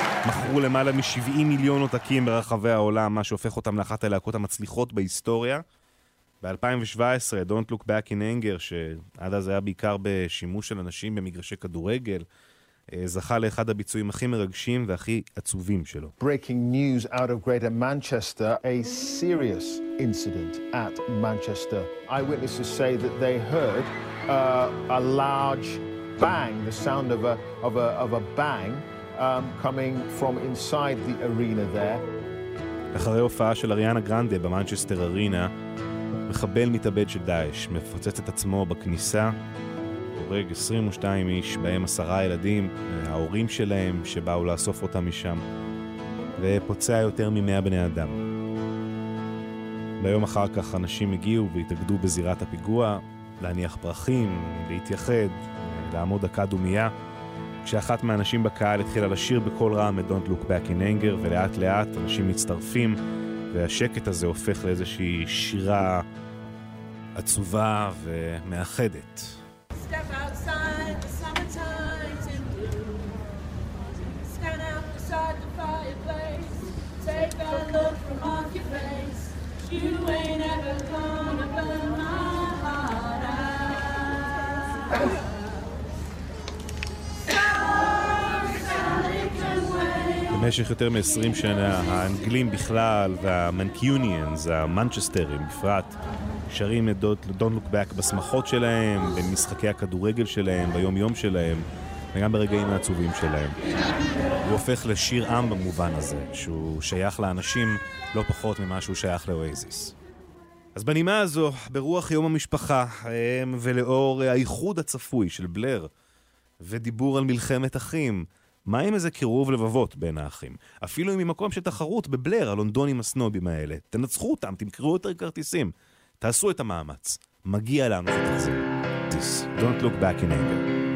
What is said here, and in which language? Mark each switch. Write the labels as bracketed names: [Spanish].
[Hebrew] מכרו למעלה מ-70 מיליון עותקים ברחבי העולם, מה שהופך אותם לאחת הלהקות המצליחות בהיסטוריה. ב-2017, Don't Look Back in Anger, שעד אז היה בעיקר בשימוש של אנשים במגרשי כדורגל, זכה לאחד הביצועים הכי מרגשים והכי עצובים שלו. [English] Breaking news out of Greater Manchester, a serious incident at Manchester. Eyewitnesses say that they heard a large bang, the sound of a bang coming from inside the arena there. [Hebrew] אחרי הופעה של אריאנה גרנדה במנצ'סטר ארינה, מחבל מתאבד של דאש מפוצץ את עצמו בכניסה. הורג 22 איש, בהם 10 ילדים, ההורים שלהם שבאו לאסוף אותם משם, ופוצע יותר מ-100 בני אדם. ביום אחר כך אנשים הגיעו והתאגדו בזירת הפיגוע, להניח פרחים, להתייחד, לעמוד דקה דומייה, כשאחת מהאנשים בקהל התחילה לשיר בכל רם את Don't Look Back in Anger, ולאט לאט אנשים מצטרפים, והשקט הזה הופך לאיזושהי שירה עצובה ומאחדת. [English] Step outside the summertime's in blue. Stand out beside the fireplace. Take a look from off your face. You ain't ever gonna burn my heart out. Sorry, sorry, can't wait. [Hebrew] במשך יותר מ-20 שנה, האנגלים בכלל והמנקיוניאנס, המנצ'סטרים בפרט, שרים את Don't Look Back בשמחות שלהם, במשחקי הכדורגל שלהם, ביום-יום שלהם, וגם ברגעים העצובים שלהם. הוא הופך לשיר עם במובן הזה, שהוא שייך לאנשים לא פחות ממה שהוא שייך לאויזיס. אז בנימה הזו, ברוח יום המשפחה, ולאור האיחוד הצפוי של בלר, ודיבור על מלחמת אחים, מה עם איזה קירוב לבבות בין האחים? אפילו אם ממקום של תחרות בבלר, הלונדונים הסנובים האלה, תנצחו אותם, תמכרו יותר כרטיסים. תעשו את המאמץ. מגיע לנו את זה. [English] This, don't look back in anger.